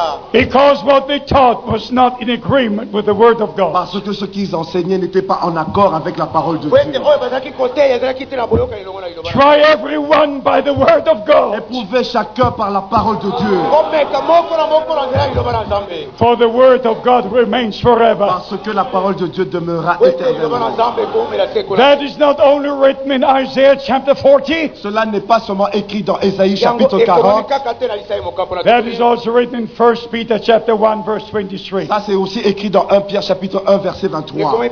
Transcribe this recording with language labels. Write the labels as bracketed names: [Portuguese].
[English] Because what they taught was not in agreement with the word of God. [French] Parce que ce qu'ils enseignaient n'était pas en accord avec la parole de Dieu. [English] Try everyone by the word of God. [French] Éprouvez chacun par la parole de Dieu. [English] For the word of God remains forever. [French] Parce que la parole de Dieu demeurera éternellement. [English] That is not only written in Isaiah chapter 40. [French] Cela n'est pas seulement écrit dans Ésaïe chapitre 40. [English] That is also written in 1 Peter chapter 1 verse 23. [French] Ça c'est aussi écrit dans 1 Pierre chapitre 1 verset 23.